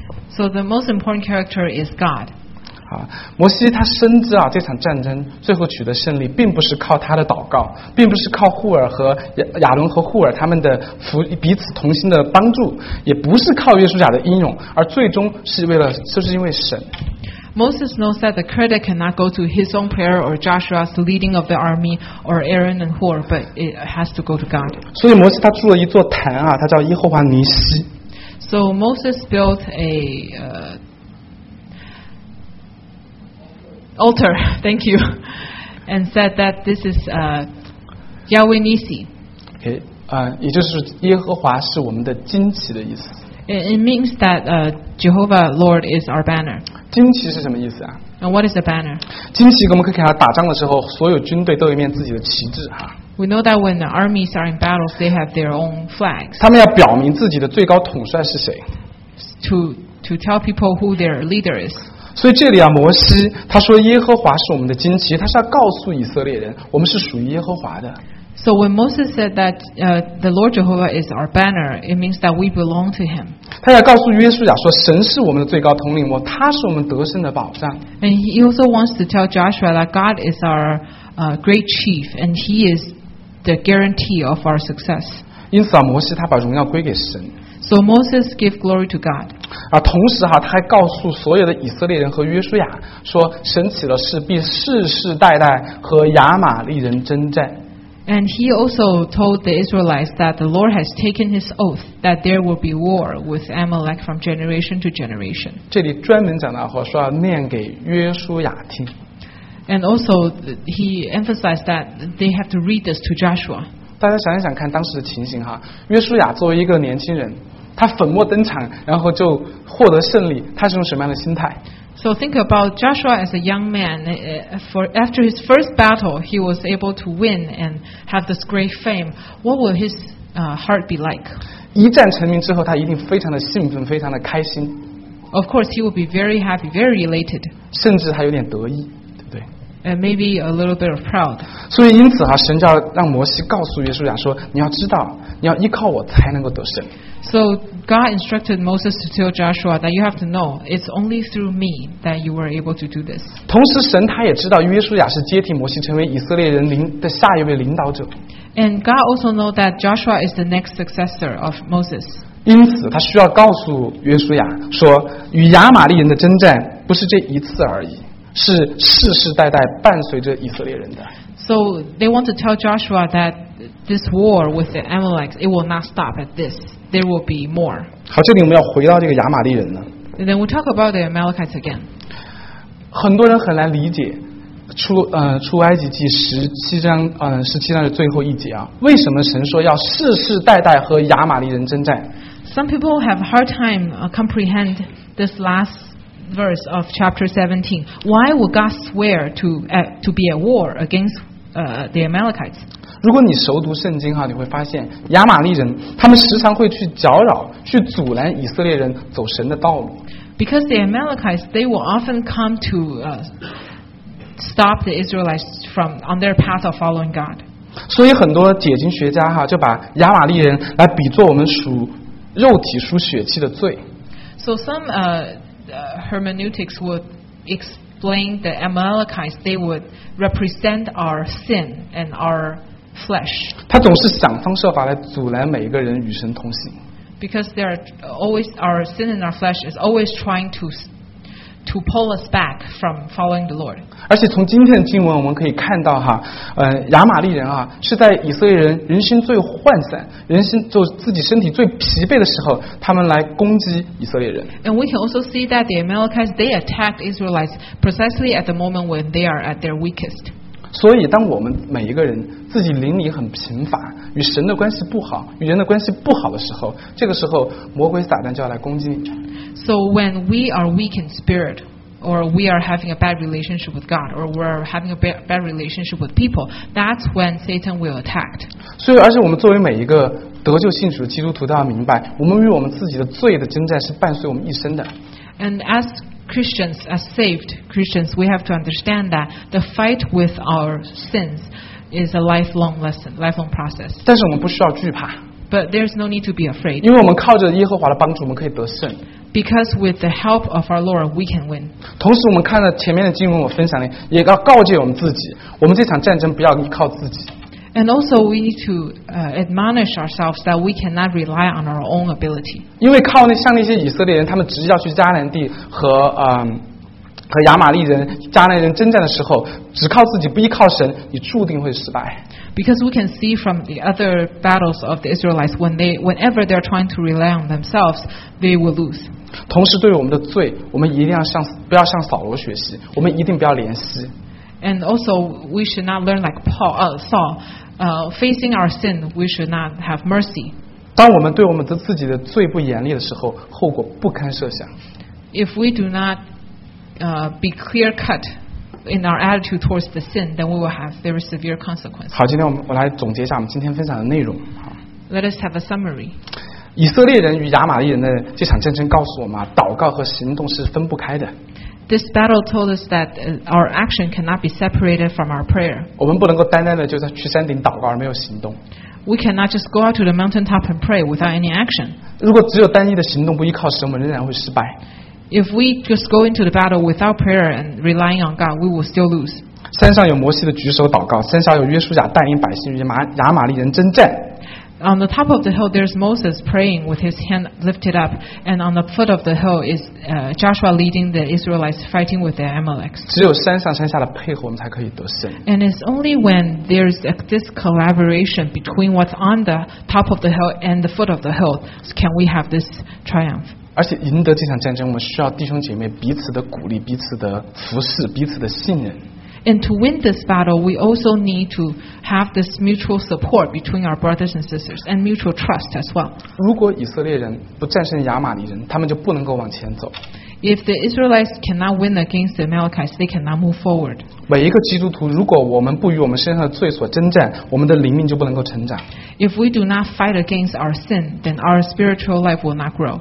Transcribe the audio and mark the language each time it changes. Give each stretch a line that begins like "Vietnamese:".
English: So the most important character is God.
Chinese: 啊，摩西他深知啊，这场战争最后取得胜利，并不是靠他的祷告，并不是靠户尔和亚伦和户尔他们的彼此同心的帮助，也不是靠约书亚的英勇，而最终是为了，就是因为神。
English: Moses knows that the credit cannot go to his own prayer or Joshua's leading of the army or Aaron and Hur, but it has to go to God.
Chinese: 所以摩西他筑了一座坛啊，他叫耶和华尼西。
English: So Moses built a altar. Thank you, and said that this is Yahweh Nisi.
Chinese: Okay, 也就是耶和华是我们的旌旗的意思。
English: It means that Jehovah Lord is our banner.
Chinese: 旌旗是什么意思啊
English: ？And what is a banner?
Chinese: 旌旗我们可以看到打仗的时候，所有军队都有一面自己的旗帜哈。
English: We know that when the armies are in battles, they have their own flags.
Chinese: 他们要表明自己的最高统帅是谁。
English: To tell people who their leader is.
Chinese: 所以这里啊，摩西他说耶和华是我们的旌旗，他是要告诉以色列人，我们是属于耶和华的。
English: So when Moses said that the Lord Jehovah is our banner, it means that we belong to Him.
Chinese: 他要告诉约书亚说，神是我们的最高统领，他是我们得胜的保障。
English: And he also wants to tell Joshua that God is our great chief, and He is the guarantee of our success.
Chinese: 因此啊，摩西他把荣耀归给神。
English: So Moses gave glory to God.
Chinese: 啊，同时哈，他还告诉所有的以色列人和约书亚说，神起了誓，必世世代代和亚玛力人征战。
English: And he also told the Israelites that the Lord has taken his oath that there will be war with Amalek from generation to generation.
Chinese: 这里专门讲到说要念给约书亚听。
English: And also he emphasized that they have to read this to Joshua.
Chinese: 大家想一想看当时的情形哈，约书亚作为一个年轻人，他粉墨登场，然后就获得胜利，他是用什么样的心态？
English: So think about Joshua as a young man. After his first battle, he was able to win and have this great fame. What will his heart be like?
Chinese: 一战成名之后，他一定非常的兴奋，非常的开心。
English: Of course, he will be very happy, very elated.
Chinese: 甚至还有点得意，对不对？
English: And maybe a little bit of proud.
Chinese: 所以因此哈，神就要让摩西告诉约书亚说，你要知道，你要依靠我才能够得胜。
English: So God instructed Moses to tell Joshua that you have to know it's only through me that you were able to do this.
Chinese: 同时神他也知道约书亚是接替摩西成为以色列人的下一位领导者。
English: And God also know that Joshua is the next successor of Moses.
Chinese: 因此他需要告诉约书亚说，与亚玛力人的征战不是这一次而已，是世世代代伴随着以色列人的。
English: So they want to tell Joshua that this war with the Amalekites, it will not stop at this. There will be more.
Chinese: 好，这里我们要回到这个亚玛力人呢。
English: And then we talk about the Amalekites again.
Chinese: 很多人很难理解出埃及记十七章十七章的最后一节啊，为什么神说要世世代代和亚玛力人征战
English: ？Some people have a hard time comprehend this last verse of chapter 17. Why would God swear to be at war against the Amalekites?
Chinese: 如果你熟读圣经哈，你会发现亚玛力人他们时常会去搅扰，去阻拦以色列人走神的道路。
English: Because the Amalekites, they will often come to stop the Israelites from on their path of following God.
Chinese: 所以很多解经学家哈就把亚玛力人来比作我们属肉体属血气的罪。
English: So some hermeneutics would explain the Amalekites, they would represent our sin and our flesh.
Chinese: 他总是想方设法来阻拦每一个人与神同行。
English: Because they are always our sin and our flesh is always trying to to pull us back from following the Lord.
Chinese: 而且从今天的经文我们可以看到哈，亚玛利人啊，是在以色列人人心最涣散，人心就自己身体最疲惫的时候，他们来攻击以色列人。
English: And we can also see that the Amalekites they attacked Israelites precisely at the moment when they are at their weakest.
Chinese: 所以当我们每一个人自己灵里很贫乏与神的关系不好与人的关系不好的时候这个时候魔鬼撒旦就要来攻击你
English: So when we are weak in spirit or we are having a bad relationship with God or we are having a bad relationship with people that's when Satan will attack
Chinese: 所以而且我们作为每一个得救信主的基督徒都要明白我们与我们自己的罪的征战是伴随我们一生的
English: And asChristians, as saved Christians, we have to understand that the fight with our sins is a lifelong lesson, lifelong process.
Chinese: 但是我们不需要惧怕。
English: But there's no need to be afraid.
Chinese: 因为我们靠着耶和华的帮助，我们可以得胜。
English: Because with the help of our Lord, we can win.
Chinese: 同时，我们看了前面的经文，我分享的，也要告诫我们自己，我们这场战争不要依靠自己。
English: And also, we need to admonish ourselves that we cannot rely on our own ability.
Chinese: 因为靠那像那些以色列人，他们直接要去迦南地和和亚玛利人、迦南人征战的时候，只靠自己不依靠神，你注定会失败。
English: Because we can see from the other battles of the Israelites, whenever they are trying to rely on themselves, they will lose.
Chinese: 同时，对于我们的罪，我们一定要向不要向扫罗学习，我们一定不要怜惜。
English: And also, we should not learn like Paul, Saul. Facing our sin, we should not have mercy.
Chinese: 当我们对我们的自己的罪不严厉的时候，后果不堪设想。
English: If we do not be clear cut in our attitude towards the sin, then we will have very severe consequences.
Chinese: 好，今天我来总结一下我们今天分享的内容。
English: Let us have a summary.
Chinese: 以色列人与亚玛利人的这场战争告诉我们，祷告和行动是分不开的。
English: This battle told us that our action cannot be separated from our prayer.
Chinese: 我们不能够单单的就在去山顶祷告而没有行动。
English: We cannot just go out to the mountaintop and pray without any action.
Chinese: 如果只有单一的行动不依靠神，我们仍然会失败。
English: If we just go into the battle without prayer and relying on God, we will still lose.
Chinese: 山上有摩西的举手祷告，山下有约书亚带领百姓与亚玛利人征战。
English: On the top of the hill, there's Moses praying with his hand lifted up, and on the foot of the hill is Joshua leading the Israelites fighting with the Amalekites.
Chinese: 只有山上山下的配合，我们才可以得胜。
English: And it's only when there's this collaboration between what's on the top of the hill and the foot of the hill can we have this triumph.
Chinese: 而且赢得这场战争，我们需要弟兄姐妹彼此的鼓励、彼此的服侍、彼此的信任。
English: And to win this battle, we also need to have this mutual support between our brothers and sisters and mutual trust as well.
Chinese: 如果以色列人不战胜亚玛利人，他们就不能够往前走。
English: If the Israelites cannot win against the Amalekites, they cannot move forward.
Chinese: 每一个基督徒，如果我们不与我们身上的罪所征战，我们的灵命就不能够成长。
English: If we do not fight against our sin, then our spiritual life will not grow.